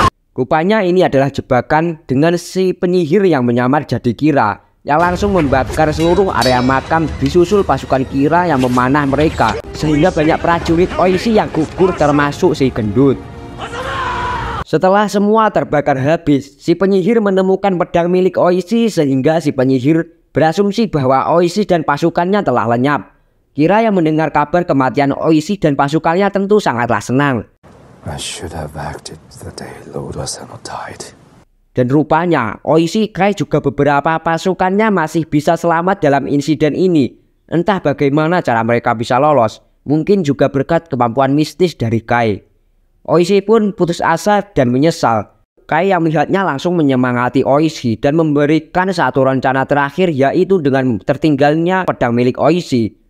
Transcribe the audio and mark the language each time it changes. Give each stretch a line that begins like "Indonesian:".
Indonesian: Rupanya ini adalah jebakan dengan si penyihir yang menyamar jadi Kira, yang langsung membakar seluruh area makam, disusul pasukan Kira yang memanah mereka sehingga banyak prajurit Oishi yang gugur termasuk si gendut. Setelah semua terbakar habis, si penyihir menemukan pedang milik Oishi sehingga si penyihir berasumsi bahwa Oishi dan pasukannya telah lenyap. Kira yang mendengar kabar kematian Oishi dan pasukannya tentu sangatlah senang.
English: I should have acted the day Lord Asano died.
Indonesian: Dan rupanya Oishi, Kai juga beberapa pasukannya masih bisa selamat dalam insiden ini. Entah bagaimana cara mereka bisa lolos, mungkin juga berkat kemampuan mistis dari Kai. Oishi pun putus asa dan menyesal. Kai yang melihatnya langsung menyemangati Oishi dan memberikan satu rencana terakhir, yaitu dengan tertinggalnya pedang milik Oishi.